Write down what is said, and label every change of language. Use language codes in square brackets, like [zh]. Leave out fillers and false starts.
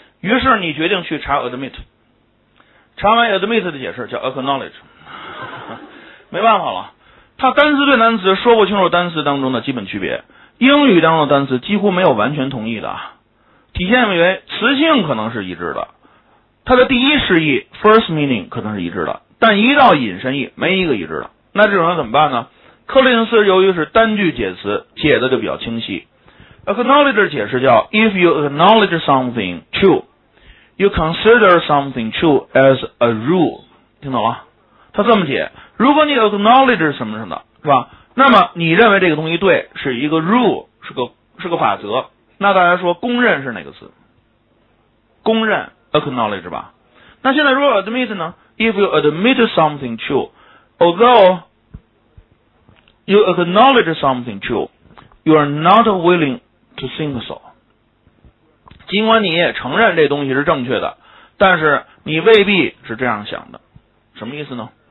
[zh] 于是你决定去查 admit， 查完 admit 的解释叫 acknowledge， 没办法了，它单词对单词说不清楚单词当中的基本区别，英语当中的单词几乎没有完全同义的。体现为词性可能是一致的，它的第一释义 [en] first meaning [zh] 可能是一致的，但一到引申义没一个一致的。那这种人怎么办呢？柯林斯由于是单句解词，解的就比较清晰。 [en] acknowledge [zh] 解释叫 [en] if you acknowledge something true you consider something true as a rule， [zh] 听懂了？他这么解，如果你 acknowledge 什么什么的，是吧？那么你认为这个东西对，是一个 rule， 是个法则。那大家说公认是哪个词？公认 acknowledge 吧。那现在如果 admit 呢？ [en] If you admit something true although you acknowledge something true you are not willing to think so， [zh] 尽管你也承认这东西是正确的，但是你未必是这样想的。什么意思呢？